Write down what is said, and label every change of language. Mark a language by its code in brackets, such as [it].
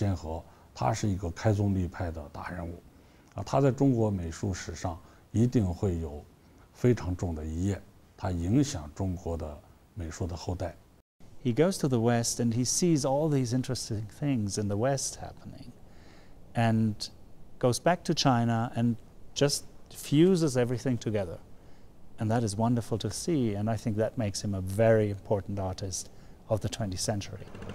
[en] He opened the Chinese modern Chinese painting exhibition. [zh] 他在中国美术史上一定会有非常重的一页，他影响中国的美术的后代。He [en] goes to the West and he sees all these interesting things in the West happening, and goes back to China and just fuses everything together, and that is wonderful to see, and I think that makes him a very important artist of the 20th century.